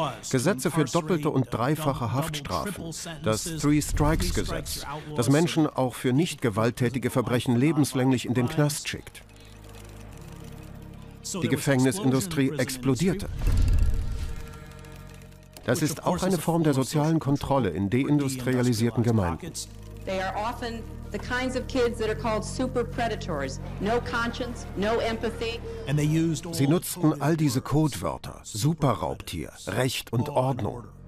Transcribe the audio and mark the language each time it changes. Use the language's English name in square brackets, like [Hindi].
[German] Gesetze für doppelte und dreifache Haftstrafen, das Three-Strikes-Gesetz, das Menschen auch für nicht gewalttätige Verbrechen lebenslänglich in den Knast schickt. Die Gefängnisindustrie explodierte. Das ist auch eine Form der sozialen Kontrolle in deindustrialisierten Gemeinden. [English] They are often the kinds of kids that are called super predators. No conscience, no empathy. [German] Sie nutzten all diese Codewörter: Superraubtier, Recht und Ordnung.